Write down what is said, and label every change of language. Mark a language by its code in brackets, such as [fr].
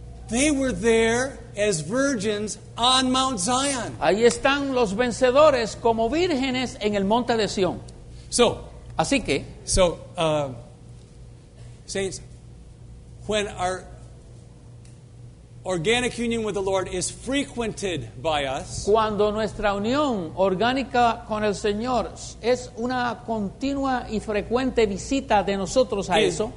[en] They were there as virgins on Mount Zion. [es] Ahí están los vencedores como vírgenes en el monte de Sion. [en] So, [es] así que, [en] so, saints, when our organic union with the Lord is frequented by us, [es] cuando nuestra unión orgánica con el Señor es una continua y frecuente visita de nosotros a eso,